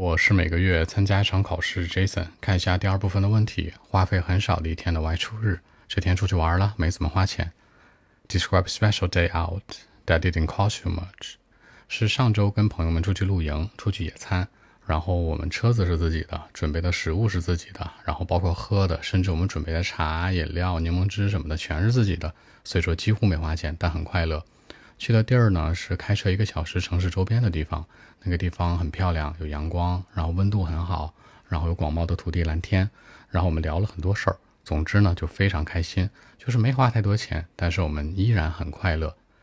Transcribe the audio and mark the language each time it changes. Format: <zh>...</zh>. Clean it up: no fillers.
<zh>我是每个月参加一场考试 Jason， 看一下第二部分的问题，花费很少的一天的外出日，这天出去玩了，没怎么花钱。</zh> <en>Describe a special day out that didn't cost you much.</en> <zh>是上周跟朋友们出去露营，出去野餐，然后我们车子是自己的，准备的食物是自己的，然后包括喝的，甚至我们准备的茶、饮料、柠檬汁什么的全是自己的，所以说几乎没花钱，但很快乐。去的地儿呢是开车一个小时城市周边的地方，那个地方很漂亮，有阳光，然后温度很好，然后有广袤的土地蓝天，然后我们聊了很多事儿，总之呢就非常开心，就是没花太多钱，但是我们依然很快乐。</zh>